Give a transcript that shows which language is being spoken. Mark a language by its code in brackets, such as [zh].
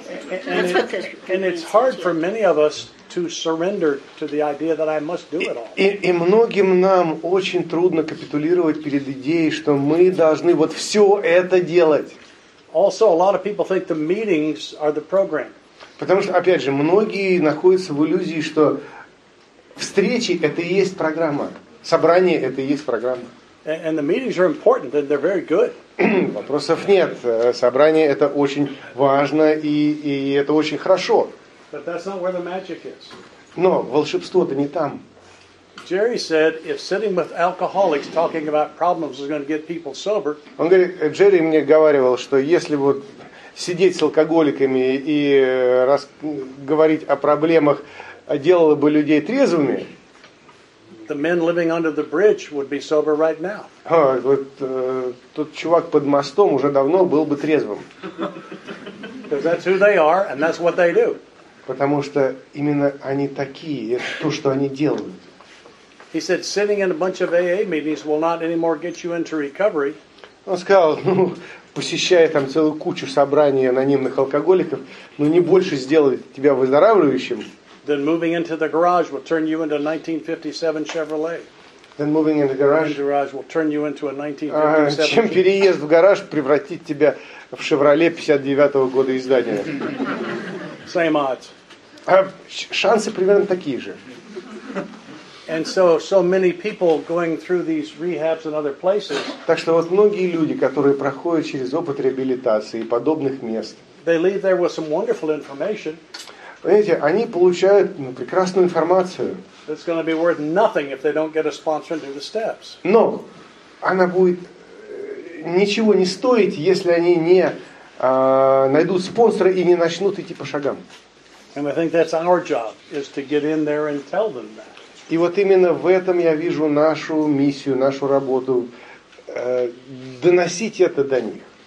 [en] And it's hard for many of us to surrender to the idea that I must do it all. [ru] И многим нам очень трудно капитулировать перед идеей, что мы должны вот все это делать. [en] Also, a lot of people think the meetings are the program. [ru] Потому что, опять же, многие находятся в иллюзии, что встречи – это и есть программа. Собрание – это и есть программа. [en] And the meetings are important, and they're very good. [ru] Вопросов нет. Собрание – это очень важно, и это очень хорошо. [en] But that's not where the magic is. [ru] Но волшебство-то не там. [en] Jerry said, if sitting with alcoholics talking about problems is going to get people sober. [ru] Он говорит, Джерри мне говаривал, что если вот сидеть с алкоголиками и говорить о проблемах, делало бы людей трезвыми. [en] The men living under the bridge would be sober right now. [ru] Тот чувак под мостом уже давно был бы трезвым. [en] Because that's who they are, and that's what they do. [ru] Потому что именно они такие, это то, что они делают. [en] He said, sitting in a bunch of AA meetings will not anymore get you into recovery. [ru] Он сказал, посещая там целую кучу собраний анонимных алкоголиков, но не больше сделает тебя выздоравливающим. [en] Then moving into the garage will turn you into a 1957 Chevrolet. Then moving into the garage, will turn you into a 1957. [ru] Чем переезд в гараж превратит тебя в Шевроле 59-го года издания? [en] Same odds. [ru] Шансы примерно такие же. [en] And so many people going through these rehabs and other places. [ru] Так что вот многие люди, которые проходят через опыт реабилитации и подобных мест. [en] They leave there with some wonderful information. [ru] Понимаете, они получают прекрасную информацию. [en] It's going to be worth nothing if they don't get a sponsor into the steps. [ru] Но она будет ничего не стоить, если они не найдут спонсора и не начнут идти по шагам. [en] And I think that's our job, is to get in there and tell them that. [ru] И вот именно в этом я вижу нашу миссию, нашу работу, доносить это до них.